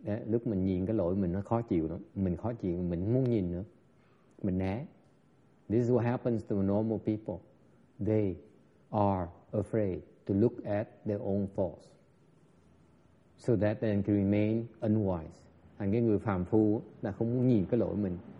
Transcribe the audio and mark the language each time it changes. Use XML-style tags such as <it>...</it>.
<vi>Lúc mình nhìn cái lỗi mình nó khó chịu lắm. Mình khó chịu, mình không muốn nhìn nữa. Mình né.</vi> <en>This is what happens to normal people. They are afraid to look at their own faults. So that they can remain unwise.</en> <vi>Thành cái người phàm phu là không muốn nhìn cái lỗi mình.</vi>